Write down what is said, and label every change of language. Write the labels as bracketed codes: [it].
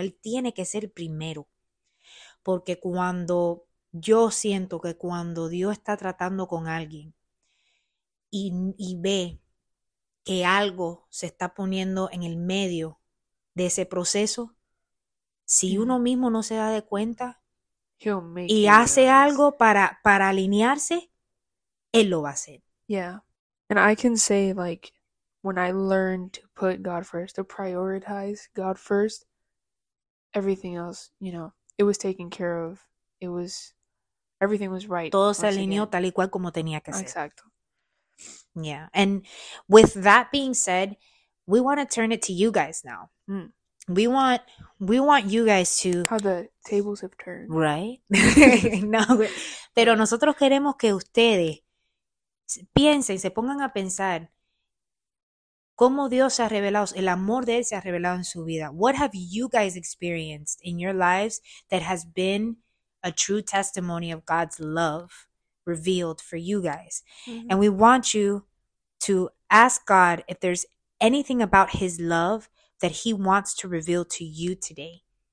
[es] Él tiene que ser primero. Porque cuando yo siento que cuando Dios está tratando con alguien y ve que algo se está poniendo en el medio de ese proceso, si mm-hmm. uno mismo no se da de cuenta y hace [en] realize. [es] Algo para alinearse, él lo va a hacer. [en] Yeah, and I can say, like, when I learned to put God first, to prioritize God first, everything else, you know, it was taken care of. It was, everything was right. [es] Todo se alineó tal y cual como tenía que ser. Exacto. [en] Yeah, and with that being said, we want to turn it to you guys now. Mm. We want you guys to... How the tables have turned. Right? [es] No, pero nosotros queremos que ustedes... Piensen, se pongan a pensar cómo Dios se ha revelado, el amor de Él se ha revelado en su vida. [en] What have you guys experienced in your lives that has been a true testimony of God's love revealed for you guys? Mm-hmm. And we want you to ask God if there's anything about His love that He wants to reveal to you today.